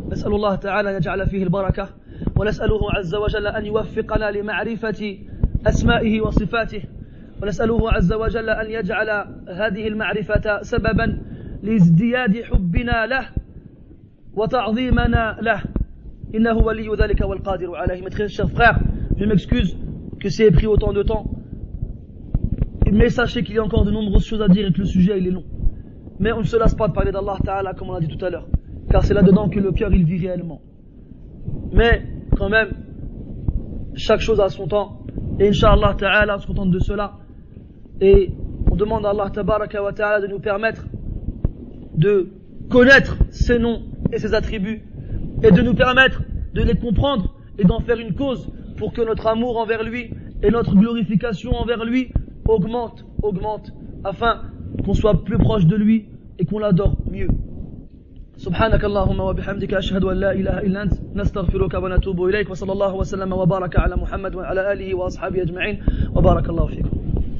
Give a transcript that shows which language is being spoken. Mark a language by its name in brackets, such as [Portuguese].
[Arabic] نسأل الله تعالى أن يجعل فيه البركة ونسأله عز وجل أن يوفقنا لمعرفة أسمائه وصفاته ونسأله عز وجل أن يجعل هذه المعرفة سببا لازدياد حبنا له وتعظيمنا له. إنه ولي ذلك والقادر عليه. [French] Mes très chers frères, je m'excuse que ça ait pris autant de temps, mais sachez qu'il y a encore de nombreuses choses à dire et que le sujet il est long. Mais on ne se lasse pas de parler d'Allah Ta'ala, comme on l'a dit tout à l'heure, car c'est là-dedans que le cœur il vit réellement. Mais quand même, chaque chose a son temps, et Inch'Allah Ta'ala se contente de cela. Et on demande à Allah Tabaraka wa Ta'ala de nous permettre de connaître ses noms et ses attributs, et de nous permettre de les comprendre et d'en faire une cause pour que notre amour envers lui et notre glorification envers lui augmente, afin qu'on soit plus proche de lui et qu'on l'adore mieux. [Arabic] سبحانك اللهم وبحمدك أشهد أن لا إله إلا أنت نستغفرك ونتوب إليك وصلى الله وسلم وبارك على محمد وعلى آله وأصحابه أجمعين وبارك الله فيكم.